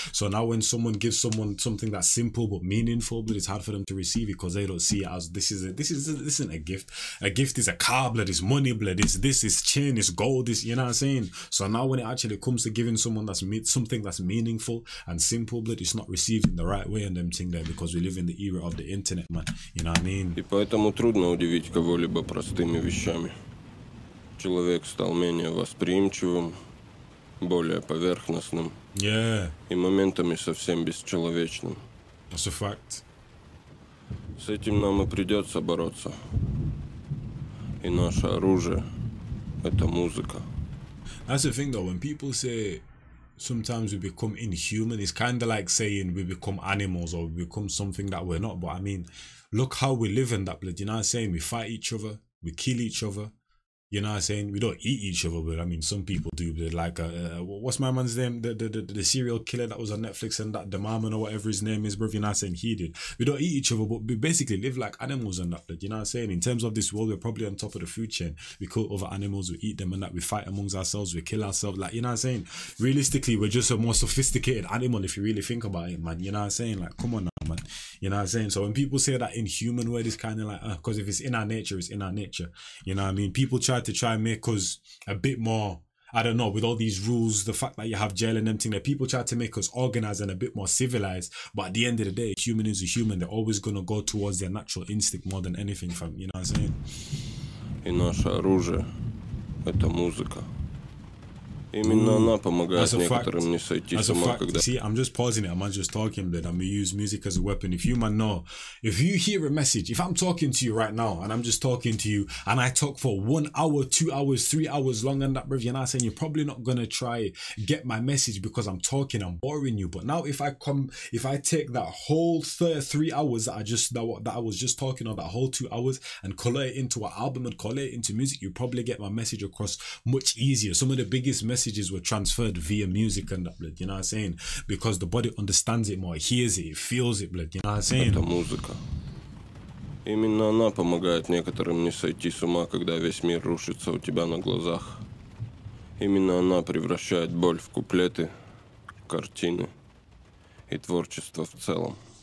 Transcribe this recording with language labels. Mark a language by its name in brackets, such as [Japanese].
[English] So now when someone gives someone something that's simple but meaningful, but it's hard for them to receive it because they don't see it as this isn't a gift. A gift is a car, blood, it's money, blood, it's this, it's chain, it's gold, it's, you know what I'm saying? So now when it actually comes to giving someone that's something that's meaningful and simple, blood, it's not received in the right way and them thing there because we live in the era of the internet, man. You know what I mean? [Russian] И поэтому трудно удивить кого-либо простыми вещами. Человек стал менее восприимчивым, более поверхностным. [English] Yeah. [Russian] И моментами совсем бесчеловечным. [English] That's a fact. [Russian] С этим нам и придется бороться. И наше оружие — это музыка. [English] That's the thing, though. When people say sometimes we become inhuman, it's kind of like saying we become animals or we become something that we're not. But I mean, look how we live in that blood. You know what I'm saying? We fight each other, we kill each other. You know what I'm saying? We don't eat each other, but I mean, some people do. But like, what's my man's name? The serial killer that was on Netflix and that, the Maman or whatever his name is, bro. You know what I'm saying? He did. We don't eat each other, but we basically live like animals and that, blood. You know what I'm saying? In terms of this world, we're probably on top of the food chain. We kill other animals, we eat them and that. We fight amongst ourselves, we kill ourselves. Like, you know what I'm saying? Realistically, we're just a more sophisticated animal if you really think about it, man. You know what I'm saying? Like, come on now, man. You know what I'm saying? So when people say that inhuman word, it's kind of like, because if it's in our nature, it's in our nature. You know what I mean? People try and make us a bit more, I don't know, with all these rules, the fact that you have jail and them thing, that people try to make us organized and a bit more civilized. But at the end of the day, human is a human. They're always going to go towards their natural instinct more than anything, fam. You know what I'm saying? [Russian] И наше оружие – это музыка. Именно она помогает некоторым не сойти с ума, когда... [English] See, I'm just pausing it. I'm just talking, but I'm gonna use music as a weapon. If you, man, know, if you hear a message, if I'm talking to you right now and I'm just talking to you and I talk for 1 hour, 2 hours, 3 hours long and that, bro, you're not saying, you're probably not gonna try get my message because I'm talking, I'm boring you. But now if I take that whole 3 hours that I was just talking or that whole 2 hours and color it into an album and color it into music, you probably get my message across much easier. Some of the biggest messages were transferred via music and that, blood, you know what I'm saying? Because the body understands it more, hears it, feels it, blood, you know what I'm saying? [Russian] Это музыка. Именно она помогает некоторым не сойти с ума, когда весь мир рушится у тебя на глазах. Именно она превращает боль в куплеты, картины и творчество в целом.